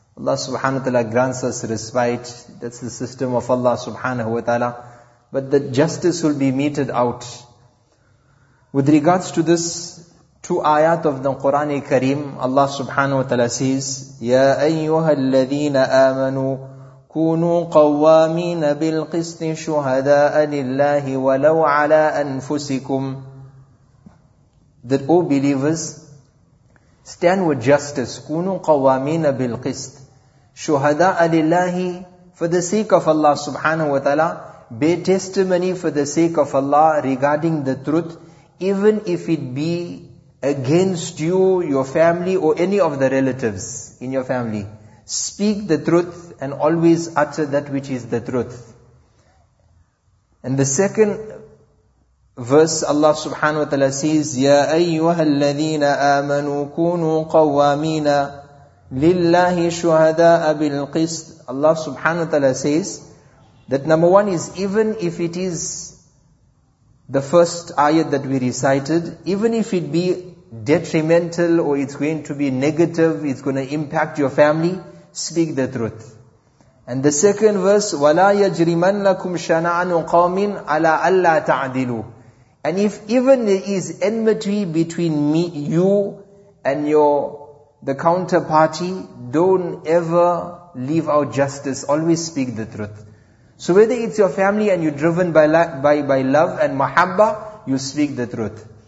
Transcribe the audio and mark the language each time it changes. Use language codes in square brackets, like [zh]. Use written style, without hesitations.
[en] Allah subhanahu wa ta'ala grants us respite. That's the system of Allah subhanahu wa ta'ala. But the justice will be meted out. With regards to this, two ayat of the Qur'an Kareem, Allah subhanahu wa ta'ala says, [ar] يَا أَيُّهَا الَّذِينَ آمَنُوا كونوا قوامين بالقسط شهداء لله ولو على أنفسكم. [en] That O believers, stand with justice. [ar] كونوا قوامين بالقسط شهداء لله, [en] for the sake of Allah subhanahu wa ta'ala. Bear testimony for the sake of Allah regarding the truth, even if it be against you, your family, or any of the relatives in your family. Speak the truth and always utter that which is the truth. And the second verse, Allah subhanahu wa ta'ala says, [ar] يَا أَيُّهَا الَّذِينَ آمَنُوا كُونُوا قَوَّامِينَ لِلَّهِ شُهَدَاءَ بِالْقِسْطِ. [en] Allah subhanahu wa ta'ala says that number one is, even if it is the first ayat that we recited, even if it be detrimental or it's going to be negative, it's going to impact your family, speak the truth. And the second verse, [ar] وَلَا يَجْرِمَنَّكُمْ شَنَعَنُ قَوْمٍ عَلَىٰ أَلَّا تَعْدِلُوا. [en] And if even there is enmity between me, you and the counterparty, don't ever leave out justice. Always speak the truth. So whether it's your family and you're driven by love and mahabba, you speak the truth.